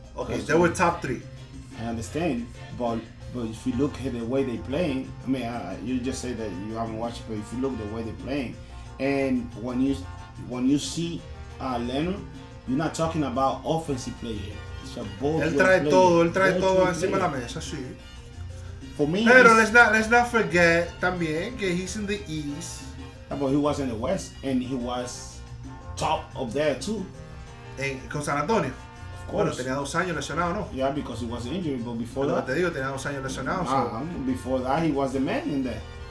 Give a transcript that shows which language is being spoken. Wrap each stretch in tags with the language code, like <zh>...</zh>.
<en>Okay, they were top 3. I understand. But if you look at the way they're playing, I mean, you just say that you haven't watched, but if you look at the way they're playing, and when you see Leonard, you're not talking about offensive player. It's a ball.</en> <es>Él trae todo encima de la mesa, sí.</es> <en>For me, pero let's not forget</en> <es>también que</es> <en>he's in the East. Yeah, but he was in the West and he was top of there too.</en> <es>Con San Antonio.</es> <en>Of course.</en> <es>Bueno, tenía 2 años lesionado, ¿no?</es> <en>Yeah, because he was injured, but before</en> <es>pero</es> <en>that.</en> <es>Te digo, tenía 2 años lesionado. Uh-huh. So.</es> <en>Before that, he was the man in there.</en>